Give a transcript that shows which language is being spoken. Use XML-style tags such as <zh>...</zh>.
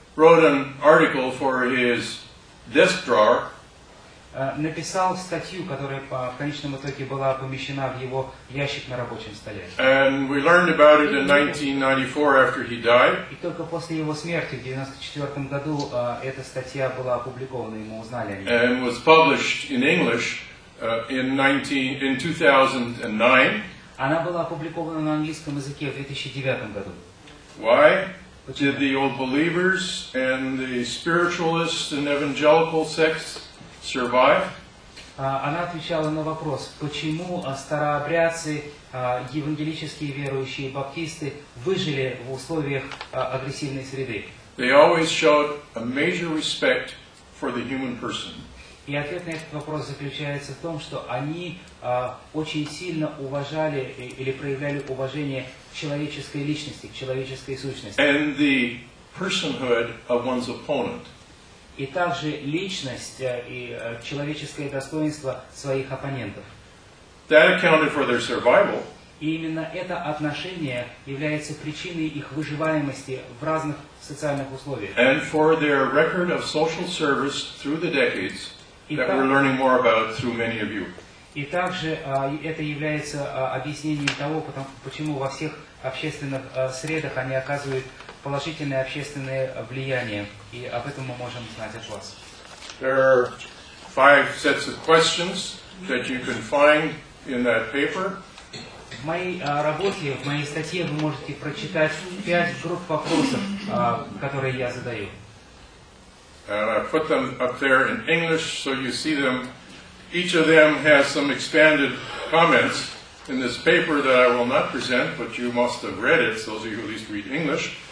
<en>wrote an article for his desk drawer,</en> <ru>написал статью, которая в конечном итоге была помещена в его ящик на рабочем столе.</ru> <en>And we learned about it in 1994 after he died.</en> <ru>И только после его смерти в 1994 году эта статья была опубликована, и мы узнали о ней.</ru> <en>And was published in English in 2009.</en> <ru>Она была опубликована на английском языке в 2009 году.</ru> <en>Why? Did the old believers and the spiritualists and evangelical sects survive?</en> <ru>Она отвечала на вопрос, почему старообрядцы, евангелические верующие, баптисты выжили в условиях агрессивной среды.</ru> <en>They always showed a major respect for the human person.</en> <ru>И ответ на этот вопрос заключается в том, что они очень сильно уважали или проявляли уважение к человеческой личности, к человеческой сущности.</ru> <en>And the personhood of one's opponent.</en> <ru>И также личность и человеческое достоинство своих оппонентов.</ru> <en>That accounted for their survival.</en> <ru>И именно это отношение является причиной их выживаемости в разных социальных условиях.</ru> <en>And for their record of social service through the decades that we're learning more about through many of you.</en> <ru>И также это является объяснением того, почему во всех общественных средах они оказывают положительное общественное влияние. И об этом мы можем знать от вас.</ru> <en>There are five sets of questions that you can find in that paper.</en> <ru>В моей работе, в моей статье вы можете прочитать пять групп вопросов, которые я задаю.</ru> <en>And I put them up there in English so you see them Each of them has some expanded comments in this paper that I will not present, but you must have read it, those of you who at least read English.</en>